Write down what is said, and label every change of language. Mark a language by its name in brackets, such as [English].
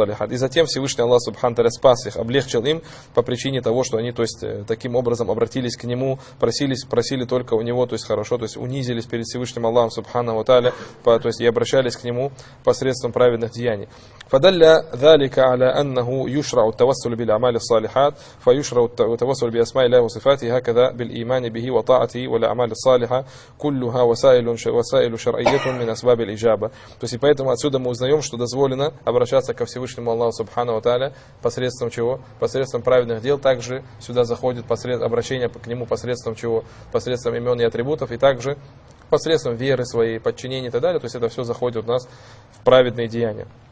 [Russian] И затем Всевышний Аллах Субхан Таля спас их, облегчил им по причине того, что они, то есть, таким образом обратились к Нему, просили только у Него, то есть хорошо, то есть унизились перед Всевышним Аллахом Субханаху Таля, то есть и обращались к Нему посредством праведных деяний. [Arabic] فدل ذلك على أنه يشرع التوسل بالأعمال الصالحات فيشرع التوسل بأسماء الله وصفاته هكذا بالإيمان به وطاعته والأعمال الصالحة كلها وسائل شرعية من أسباب الإجابة. [Russian] То есть поэтому отсюда мы узнаем, что дозволено обращаться ко Всевышнему Аллаху Субхану ва Тааля посредством чего? Посредством праведных дел. Также сюда заходит обращение к нему посредством чего? Посредством имен и атрибутов, и также посредством веры своей, подчинения и так далее. То есть это все заходит у нас в праведные деяния.